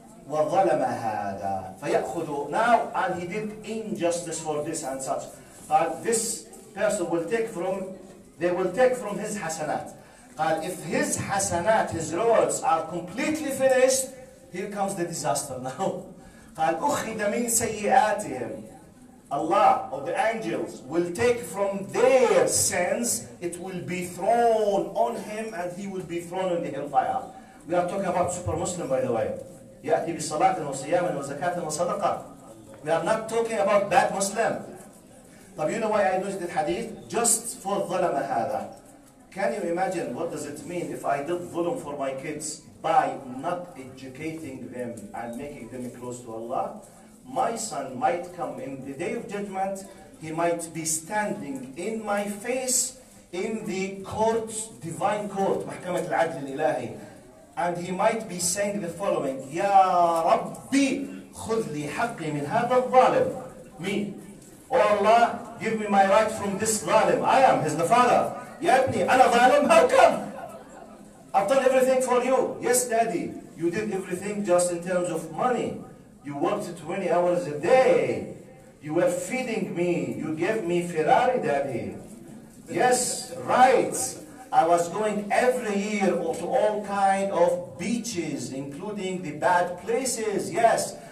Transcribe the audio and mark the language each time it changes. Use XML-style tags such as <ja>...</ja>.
<ar>وظلم هذا فيأخذ</ar> <en>now and he did injustice for this and such قال this person will take from they will take from his</en> <ar>حسنات قال</ar> <en>if his حسنات his roads are completely finished here comes the disaster now</en> <ar>قال أخذ من سيئاتهم</ar> <en>Allah or the angels will take from their sins, it will be thrown on him and he will be thrown in the hellfire. We are talking about super Muslim by the way.</en> <ar>يأتي بالصلاة والصيام والزكاة والصدقة.</ar> <en>We are not talking about bad Muslim. طب you know why I used the hadith? Just for</en> <ar>ظلم هذا.</ar> <en>Can you imagine what does it mean if I did ظلم for my kids by not educating them and making them close to Allah? My son might come in the day of judgment, he might be standing in my face in the court, divine court,</en> <ar>محكمة العدل الإلهي.</ar> <en>And he might be saying the following,</en> <ar>يا ربي خذ لي حقي من هذا الظالم,</ar> <en>me. Oh Allah, give me my right from this ظالم, I am, he's the father.</en> <ar>يا ابني, أنا ظالم,</ar> <en>how come? I've done everything for you. Yes, daddy, you did everything just in terms of money. You worked 20 hours a day. You were feeding me. You gave me Ferrari, daddy. Yes, right. I was going every year to all kind of beaches, including the bad places, yes.</en>